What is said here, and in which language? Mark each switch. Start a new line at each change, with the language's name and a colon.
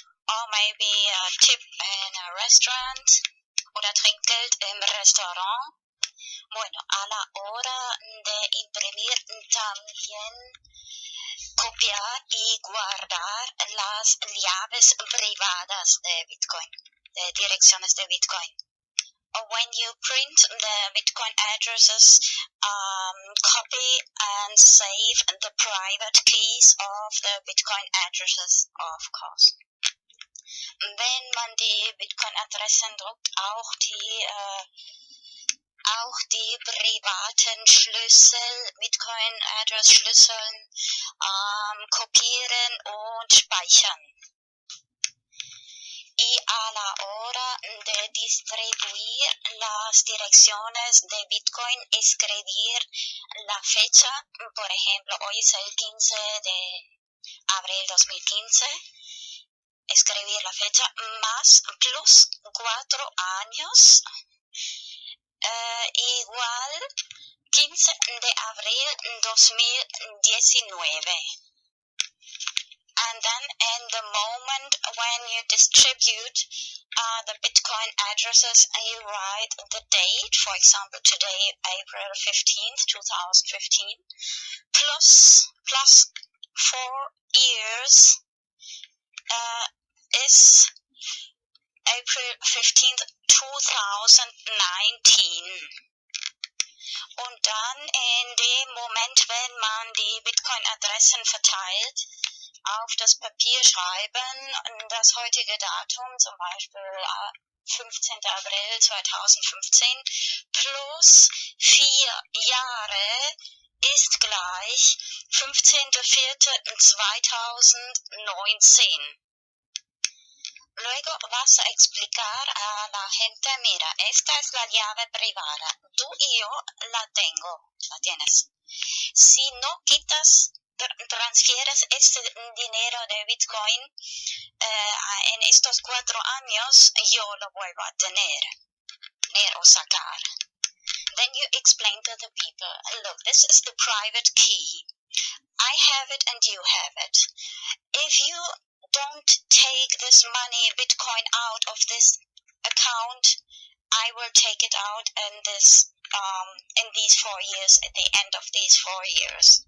English: Or maybe a tip in a restaurant.
German: Oder Trinkgeld im Restaurant.
Spanish: Bueno, a la hora de imprimir también copiar y guardar las llaves privadas de Bitcoin. De direcciones de Bitcoin.
English: When you print the Bitcoin addresses, copy and save the private keys of the Bitcoin addresses, of course.
German: Wenn man die Bitcoin-Adressen druckt, auch die privaten Schlüssel, Bitcoin-Address-Schlüsseln, kopieren und speichern.
Spanish: Y a la hora de distribuir las direcciones de Bitcoin, escribir la fecha, por ejemplo, hoy es el 15 de abril 2015, escribir la fecha, más plus 4 años, igual 15 de abril 2019.
English: And then in the moment when you distribute the Bitcoin addresses, you write the date, for example, today, April 15th, 2015, plus 4 years is April 15th, 2019.
German: Und dann in dem Moment, wenn man die Bitcoin-Adressen verteilt, auf das Papier schreiben, das heutige Datum, zum Beispiel 15. April 2015, plus 4 Jahre ist gleich 15.04.2019.
Spanish: Luego vas a explicar a la gente, mira, esta es la llave privada. Tú y yo la tengo, la tienes. Si no quitas, transfieres este dinero de Bitcoin en estos 4 años, yo lo vuelvo a tener o sacar.
English: Then you explain to the people, look, this is the private key. I have it and you have it. If you don't take this money, Bitcoin, out of this account, I will take it out in this in these 4 years, at the end of these 4 years.